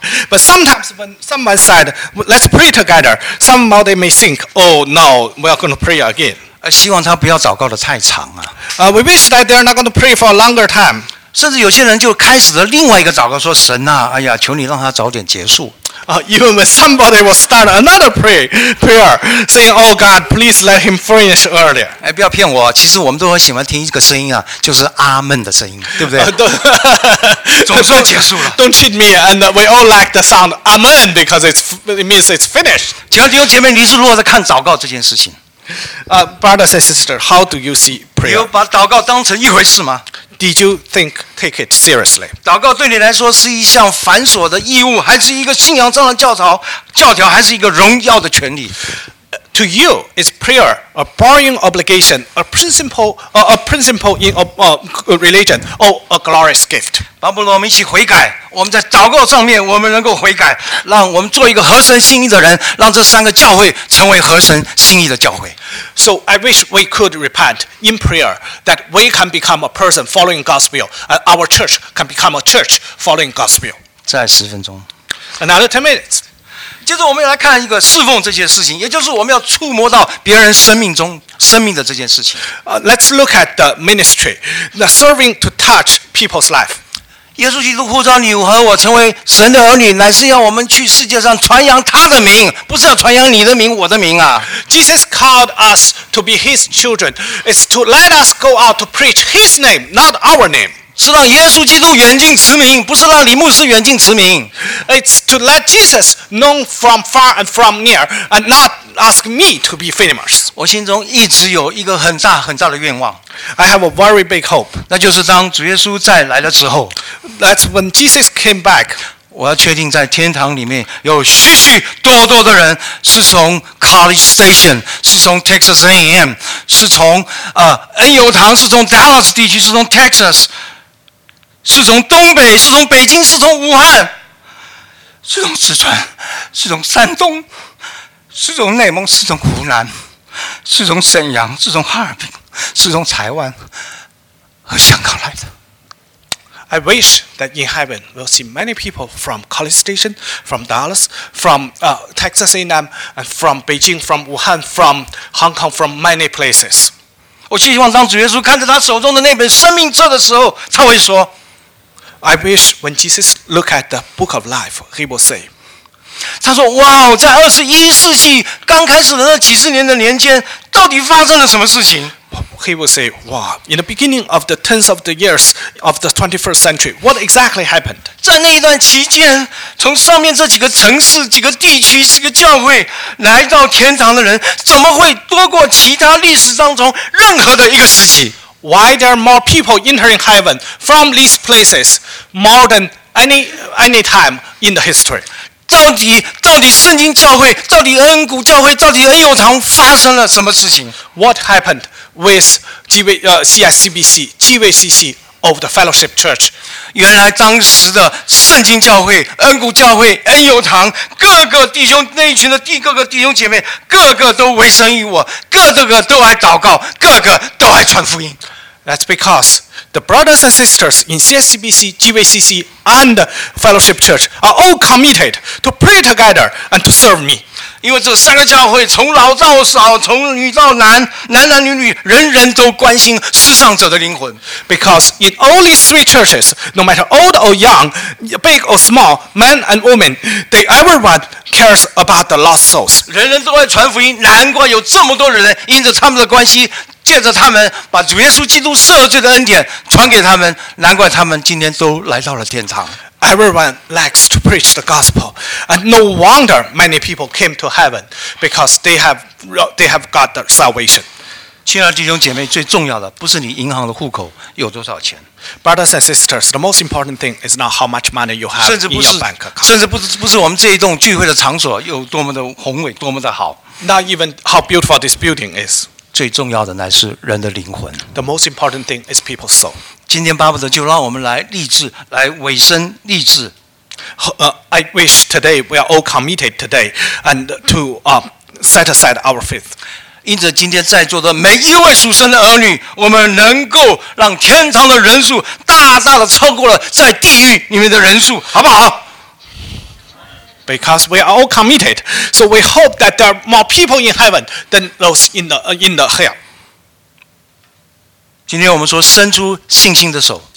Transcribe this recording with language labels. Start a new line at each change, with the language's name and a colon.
English: But sometimes when someone said, "Let's pray together," somebody may think, "Oh no, we are going to pray again."
Chinese: 希望他不要祷告的太长啊。
English: We wish that they are not going to pray for a longer time.
Chinese: 甚至有些人就开始了另外一个祷告，说神啊，哎呀，求你让他早点结束。
English: Even when somebody will start another prayer, saying, "Oh God, please let him finish earlier."
Chinese: 哎，不要骗我，其实我们都很喜欢听一个声音啊，就是阿门的声音，对不对？总算结束了。
English: Don't cheat me, and we all like the sound "Amen" because it means it's finished.
Chinese: 请问弟兄姐妹，你是如何在看祷告这件事情？
English: Brothers and sisters, how do you see prayer?
Chinese: 你有把祷告当成一回事吗？
English: Did you think take it seriously?
Chinese: 祷告对你来说是一项繁琐的义务，还是一个信仰上的教条，还是一个荣耀的权利？
English: To you, is prayer a boring obligation, a principle in religion, or a glorious gift?
Chinese: 巴布罗，我们一起悔改。我们在祷告上面，我们能够悔改，让我们做一个合神心意的人，让这三个教会成为合神心意的教会。
English: So I wish we could repent in prayer that we can become a person following God's will, and our church can become a church following God's will.
Chinese: 再十分钟。
English: Another 10 minutes.
Chinese: 接着我们要来看一个侍奉这件事情，也就是我们要触摸到别人生命的这件事情。
English: Let's look at the ministry, the serving to touch people's life.
Chinese: 耶稣基督呼召你和我成为神的儿女，乃是要我们去世界上传扬他的名，不是要传扬你的名、我的名啊。
English: Jesus called us to be His children. It's to let us go out to preach His name, not our name.
Chinese: 是让耶稣基督远近驰名，不是让李牧师远近驰名。
English: It's to let Jesus known from far and from near, and not ask me to be famous.
Chinese: 我心中一直有一个很大很大的愿望。
English: I have a very big hope.
Chinese: 那就是当主耶稣再来了之后。
English: That's when Jesus came back.
Chinese: 我要确定在天堂里面有许许多多的人是从 College Station, 是从 Texas A&M, 是从恩友堂，是从 Dallas 地区，是从 Texas。是从东北，是从北京，是从武汉，是从四川，是从山东，是从内蒙，是从湖南，是从沈阳，是从哈尔滨，是从台湾和香港来的。
English: I wish that in heaven we'll see many people from College Station, from Dallas, from Texas A&M, and from Beijing, from Wuhan, from Hong Kong, from many places.
Chinese: 我希望当主耶稣看着他手中的那本生命册的时候，他会说。
English: I wish when Jesus look at the book of life, he will say,
Chinese: 他说哇，在二十一世纪刚开始的那几十年的年间，到底发生了什么事情？
English: He will say, wow, in the beginning of the tens of the years of the 21st century, what exactly happened?
Chinese: 在那一段期间，从上面这几个城市、几个地区、几个教会来到天堂的人，怎么会多过其他历史当中任何的一个时期？
English: Why there are more people entering heaven from these places more than any time in the history?
Chinese: 到底圣经教会，到底恩谷教会，到底恩友堂发生了什么事情？
English: What happened with CSCBC, GVCC of the Fellowship Church?
Chinese: 原来当时的圣经教会、恩谷教会、恩友堂，各个弟兄那一群的各个弟兄姐妹，各个都委身于我，各个都爱祷告，各个都爱传福音。
English: That's because the brothers and sisters in CSCBC, GVCC, and the Fellowship Church are all committed to pray together and to serve me.
Chinese: 因为这三个教会从老到少，从女到男，男男女女，人人都关心失丧者的灵魂。
English: Because in all these three churches, no matter old or young, big or small, men and women, everyone cares about the lost souls.
Chinese: 人人都爱传福音，难怪有这么多人因着他们的关系。借着他们把主耶稣基督赦罪的恩典传给他们，难怪他们今天都来到了天堂。
English: Everyone likes to preach the gospel, and no wonder many people came to heaven because they have got the salvation.
Chinese: 亲爱的弟兄姐妹，最重要的不是你银行的户口有多少钱。
English: Brothers and sisters, the most important thing is not how much money you have in your bank account.
Chinese: 甚至不是我们这一栋聚会的场所有多么的宏伟，多么的好。
English: Not even how beautiful this building is.
Chinese: 最重要的乃是人的灵魂。
English: The most important thing is people's soul.
Chinese: 今天巴不得就让我们来立志，来委身立志。
English: I wish today we are all committed today and to set aside our faith.
Chinese: 因着今天在座的每一位属神的儿女，我们能够让天堂的人数大大的超过了在地狱里面的人数，好不好？
English: Because we are all committed, so we hope that there are more people in heaven than those in the hell.
Chinese: 今天我们说伸出信心的手。